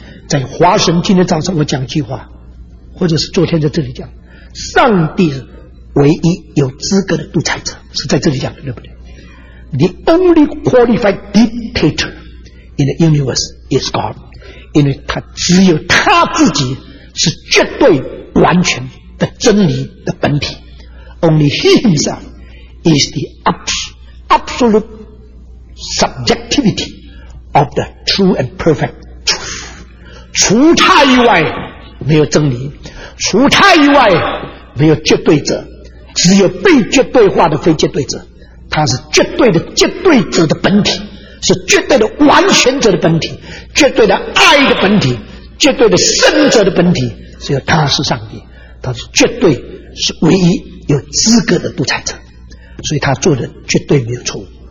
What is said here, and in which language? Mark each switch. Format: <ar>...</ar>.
<zh>在华神今天早上我讲一句话，或者是昨天在这里讲，上帝是唯一有资格的独裁者，是在这里讲的，对不对？</zh> <en>The only qualified dictator in the universe is God，</en> <zh>因为他只有他自己是绝对完全的真理的本体。</zh> <en>Only he himself is the absolute subjectivity of the true and perfect truth。</en> <zh>除他以外没有真理，除他以外没有绝对者，只有被绝对化的非绝对者，他是绝对的绝对者的本体，是绝对的完全者的本体，绝对的爱的本体，绝对的生者的本体，只有他是上帝，他是绝对是唯一有资格的独裁者，所以他做的绝对没有错误。</zh>